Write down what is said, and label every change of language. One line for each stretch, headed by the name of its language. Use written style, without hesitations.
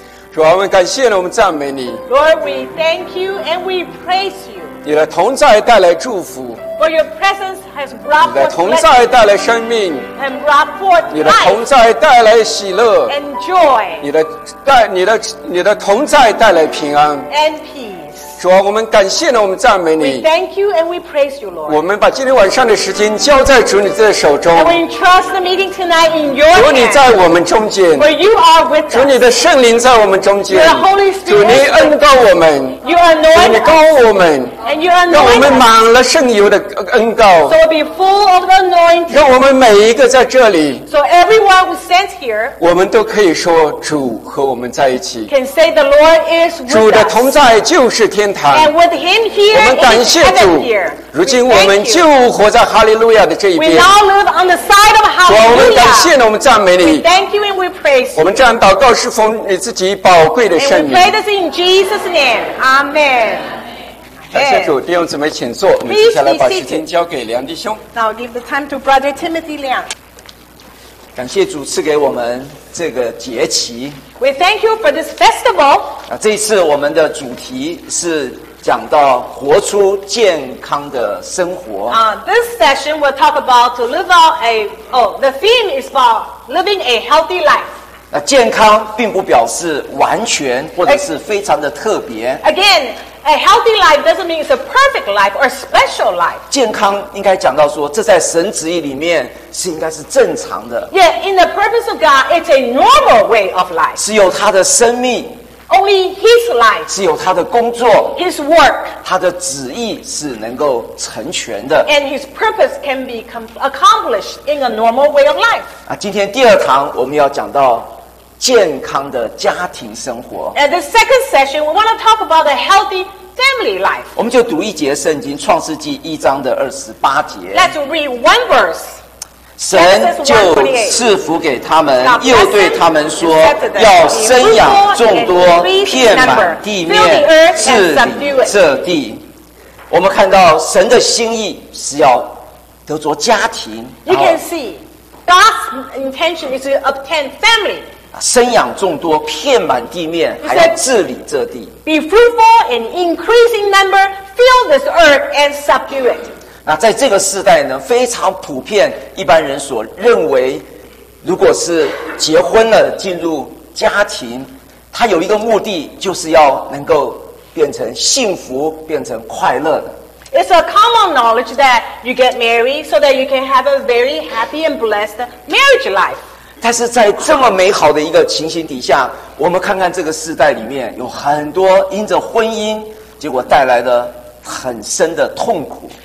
Chinese: 主啊，我们感谢你，我们赞美你。
English: Lord, we thank you and we praise you.
Chinese: 你的同在带来祝福。
English: For your presence has brought forth life.
Chinese: 你的同在带来生命。
English: And brought forth life.
Chinese: 你的同在带来喜乐。
English: And joy.
Chinese: 你的同在带来平安。
English: And peace.
Chinese: 主啊，我们感谢你，我们赞美你。
English: We thank you and we praise you, Lord.
Chinese: 我们把今天晚上的时间交在主你的手中。
English: And we entrust the meeting tonight in your hands.
Chinese: 主你在我们中间。
English: For you are with us.
Chinese: 主你的圣灵在我们中间。
English: Your Holy Spirit.
Chinese: 主你恩膏我们。
English: You anoint us.
Chinese: 主你膏我们。
English: And you anoint us.
Chinese: 让我们满了圣油的恩膏。
English: So be full of the anointing.
Chinese: 让我们每一个在这里。
English: So everyone who stands here.
Chinese: 我们都可以说主和我们在一起。
English: Can say the Lord is with us.
Chinese: 主的同在就是天堂。
English: And with him here is heaven here.
Chinese: 如今我们就活在哈利路亚的这一边。
English: We now live on the side of hallelujah.
Chinese: 主，我们感谢你，我们赞美你。
English: We thank you and we praise you.
Chinese: 我们这样祷告是奉你自己宝贵的圣名。
English: And we pray this in Jesus' name. Amen.
Chinese: 感谢主，弟兄姊妹请坐。我们接下来把时间交给梁弟兄。
English: Now give the time to Brother Timothy Liang.
Chinese: 感谢主赐给我们这个节期。
English: We thank you for this festival.
Chinese: 这一次我们的主题是讲到活出健康的生活。
English: This session we'll talk about to live out a the theme is about living a healthy life.
Chinese: 健康并不表示完全或者是非常的特别。
English: Again, a healthy life doesn't mean it's a perfect life or a special life.
Chinese: 健康应该讲到说，这在神旨意里面是应该是正常的。
English: Yeah, in the purpose of God, it's a normal way of life.
Chinese: 是有他的生命。
English: Only his life.
Chinese: 是有他的工作。
English: His work.
Chinese: 他的旨意是能够成全的。
English: And his purpose can be accomplished in a normal way of life.
Chinese: 今天第二堂我们要讲到健康的家庭生活。
English: And the second session, we want to talk about a healthy family life.
Chinese: 我们就读一节圣经，创世纪一章的二十八节。
English: Let's read one verse.
Chinese: 神就赐福给他们，又对他们说，要生养众多，遍满地面，治理这地。我们看到神的心意是要得着家庭。
English: You can see God's intention is to obtain family.
Chinese: 生养众多，遍满地面，还要治理这地。
English: Be fruitful and increase in number, fill this earth and subdue it.
Chinese: 那在这个时代呢，非常普遍，一般人所认为，如果是结婚了，进入家庭，他有一个目的，就是要能够变成幸福，变成快乐的。
English: It's a common knowledge that you get married so that you can have a very happy and blessed marriage life.
Chinese: 但是在这么美好的一个情形底下，我们看看这个世代里面有很多因着婚姻结果带来的很深的痛苦。